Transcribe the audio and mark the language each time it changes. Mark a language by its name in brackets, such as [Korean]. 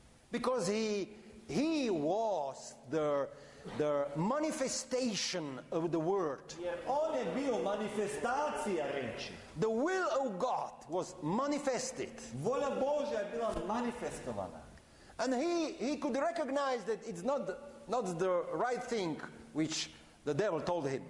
[English] Because he was the manifestation of the word. [Serbian] On je bio manifestacija reči. [English] The will of God was manifested. [Serbian] Volja Božja je bila manifestovana. [English] And he could recognize that it's not the right thing which the devil told him.